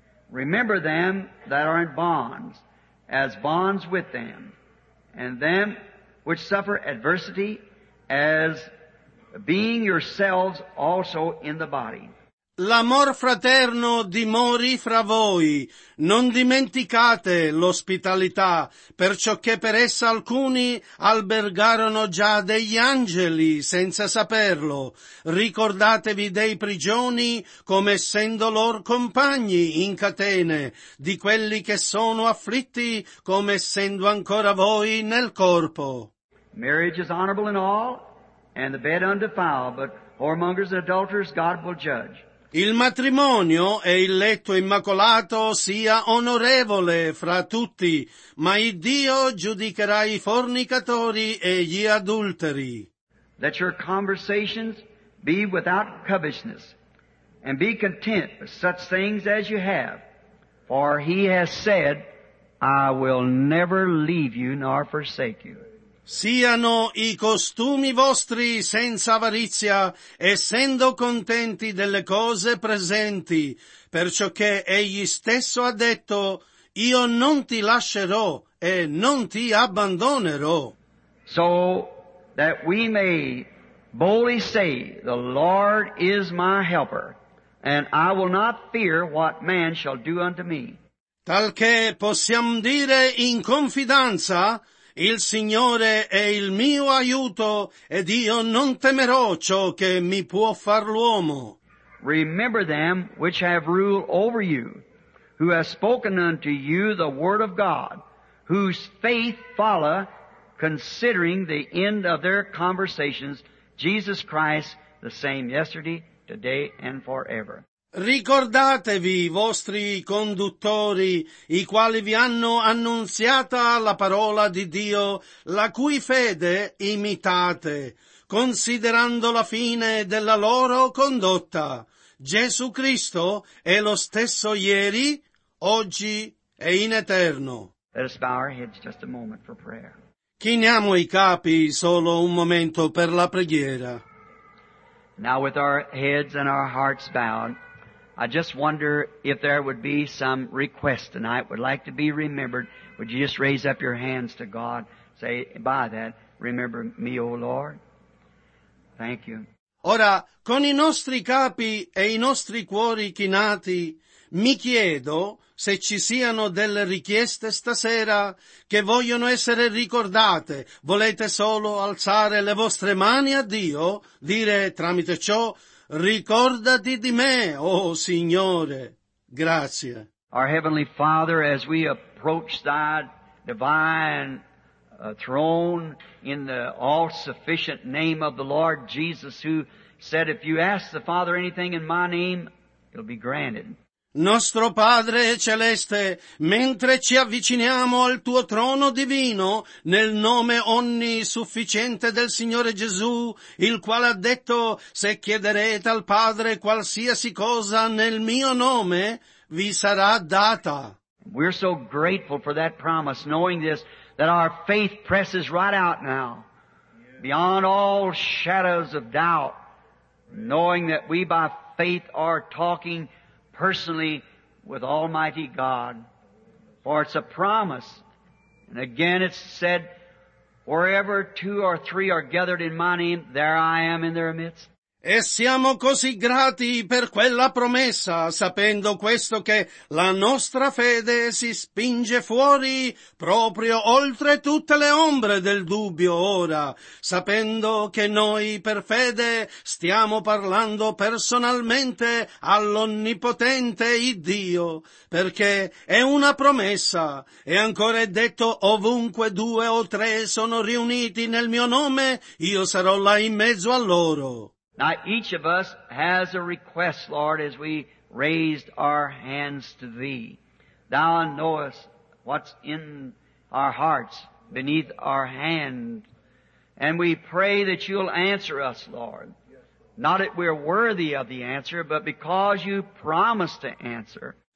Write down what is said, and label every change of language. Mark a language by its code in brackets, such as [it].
[en] Remember them that are in bonds, as bonds with them, and them which suffer adversity, as being yourselves also in the body. [it] L'amor fraterno dimori fra voi. Non dimenticate l'ospitalità, perciò che per essa alcuni albergarono già degli angeli senza saperlo. Ricordatevi dei prigioni come essendo lor compagni in catene, di quelli che sono afflitti come essendo ancora voi nel corpo. [en] Marriage is honorable in all, and the bed undefiled, but whoremongers and adulterers God will judge. [it] Il matrimonio e il letto immacolato sia onorevole fra tutti, ma il Dio giudicherà i fornicatori e gli adulteri. [en] Let your conversations be without covetousness, and be content with such things as you have, for he has said, I will never leave you nor forsake you. [it] Siano i costumi vostri senza avarizia, essendo contenti delle cose presenti, perciò che egli stesso ha detto, io non ti lascerò e non ti abbandonerò. [en] So that we may boldly say, the Lord is my helper, and I will not fear what man shall do unto me. [it] Talché possiamo dire in confidenza, il Signore è il mio aiuto, ed io non temerò ciò che mi può far l'uomo. [en] Remember them which have rule over you, who have spoken unto you the word of God, whose faith follow, considering the end of their conversations, Jesus Christ, the same yesterday, today, and forever. [it] Ricordatevi i vostri conduttori, i quali vi hanno annunziata la parola di Dio, la cui fede imitate, considerando la fine della loro condotta. Gesù Cristo è lo stesso ieri, oggi e in eterno. [en] Let us bow our heads just a moment for prayer. [it] Chiniamo i capi solo un momento per la preghiera. [en] Now with our heads and our hearts bowed, I just wonder if there would be some request tonight, would like to be remembered. Would you just raise up your hands to God, say, by that, remember me, O Lord. Thank you. [it] Ora, con i nostri capi e i nostri cuori chinati, mi chiedo se ci siano delle richieste stasera che vogliono essere ricordate. Volete solo alzare le vostre mani a Dio, dire tramite ciò, ricordati di me, oh Signore. Grazie. [en] Our Heavenly Father, as we approach thy divine throne in the all-sufficient name of the Lord Jesus, who said, if you ask the Father anything in my name, it'll be granted. [it] Nostro Padre Celeste, mentre ci avviciniamo al tuo trono divino, nel nome onnisufficiente del Signore Gesù, il quale ha detto, se chiederete al Padre qualsiasi cosa nel mio nome, vi sarà data. [en] We're so grateful for that promise, knowing this, that our faith presses right out now, beyond all shadows of doubt, knowing that we by faith are talking personally with Almighty God, for it's a promise. And again it's said, wherever two or three are gathered in my name, there I am in their midst. [it] E siamo così grati per quella promessa, sapendo questo che la nostra fede si spinge fuori proprio oltre tutte le ombre del dubbio ora, sapendo che noi per fede stiamo parlando personalmente all'Onnipotente Iddio, perché è una promessa, e ancora è detto: ovunque due o tre sono riuniti nel mio nome, io sarò là in mezzo a loro. [en] Now each of us has a request, Lord, as we raised our hands to Thee. Thou knowest what's in our hearts beneath our hand. And we pray that You'll answer us, Lord. Not that we're worthy of the answer, but because You promised to answer.